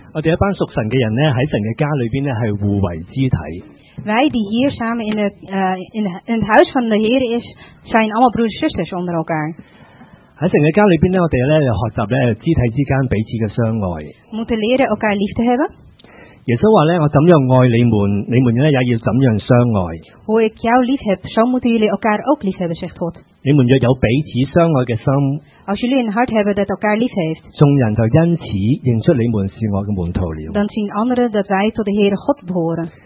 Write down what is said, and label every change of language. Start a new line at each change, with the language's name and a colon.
Cantonese: 我哋一班属神嘅人咧喺神嘅家里边咧系互为肢体。
Dutch: Wij die hier samen in het huis van de Heer is, zijn allemaal broers en zusters onder elkaar.
Cantonese: 喺神嘅家里边咧，我哋咧学习咧肢体之间彼此嘅相爱。
Dutch: Moeten leren elkaar lief te hebben.
Cantonese: 耶稣话咧，我怎样爱你们，你们咧也要怎样相爱。
Dutch: Hoe ik jou lief heb, zo moeten jullie elkaar ook lief hebben, zegt God.
Cantonese: 你们若有彼此相爱嘅心。
Dutch: Als jullie een hart hebben dat elkaar lief heeft,
Cantonese: 众人就因此认出你们是我的门徒了。
Dutch: Dan zien anderen dat wij tot de Heere God behoren.